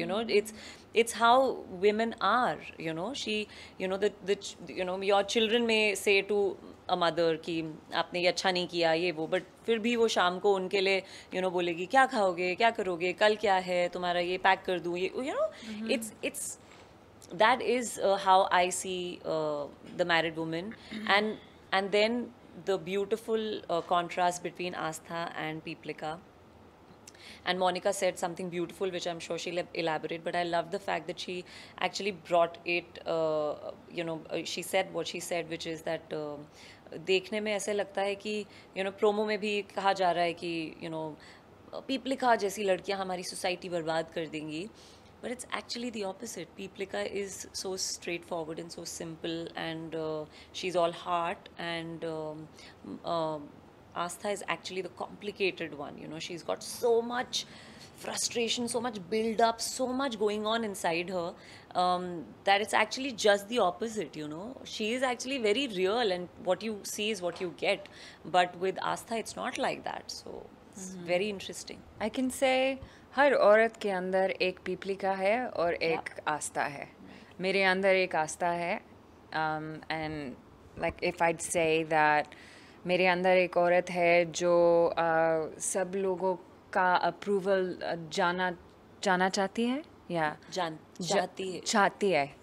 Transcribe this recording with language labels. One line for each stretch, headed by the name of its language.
Hindi: You know it's how women are. You know she you know the you know your children में से to a mother कि आपने ये अच्छा नहीं किया ये वो बट फिर भी वो शाम को उनके लिए यू नो बोलेगी क्या खाओगे क्या करोगे कल क्या है तुम्हारा ये पैक कर दूँ ये you know it's that is how I see the married women.
English: And then the beautiful contrast between Aastha and Peeplika. And Monica said something beautiful which I'm sure she'll elaborate, but I love the fact that she actually brought it you know she said what she said, which is that dekhne mein aise lagta hai ki you know promo mein bhi kaha ja raha hai ki you know Peeplika jaisi ladkiyan hamari society barbaad kar dengi. But it's actually the opposite. Peeplika is so straightforward and so simple, and she's all heart. And Aastha is actually the complicated one. You know, she's got so much frustration, so much build up, so much going on inside her that it's actually just the opposite. You know, she is actually very real, and what you see is what you get. But with Aastha, it's not like that. So it's very interesting. I can say.
Hindi: हर औरत के अंदर एक पीपलिका है और एक आस्था है. मेरे अंदर एक आस्था है and like if I say that मेरे अंदर एक औरत है जो सब लोगों का अप्रूवल जाना चाहती है या चाहती है.